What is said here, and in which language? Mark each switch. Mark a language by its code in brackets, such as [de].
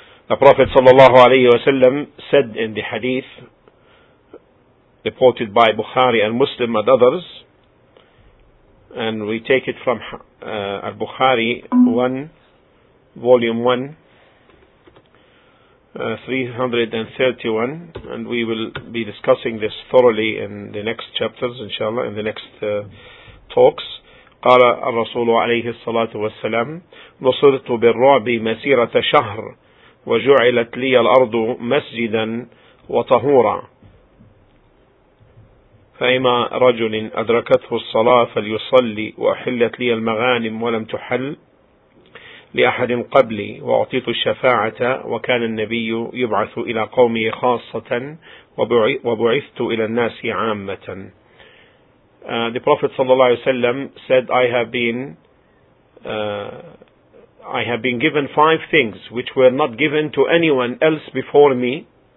[en] The Prophet [ar] sallallahu alayhi wa sallam [en] said in the hadith reported by Bukhari and Muslim and others, and we take it from Al-Bukhari 1, volume 1, 331, and we will be discussing this thoroughly in the next chapters inshallah, in the next talks. [ar] قال الرسول عليه الصلاة والسلام نصرت بالرعب مسيرة شهر وجعلت لي الأرض مسجدا وطهورا فإما رجل أدركته الصلاة فليصلي وأحلت لي المغانم ولم تحل لأحد قبلي وأعطيت الشفاعة وكان النبي يبعث إلى قومه خاصة وبعثت إلى الناس عامة. [en] The Prophet [ar] sallallahu alaihi wasallam [en] said, I have been given five things which were not given to anyone else before me.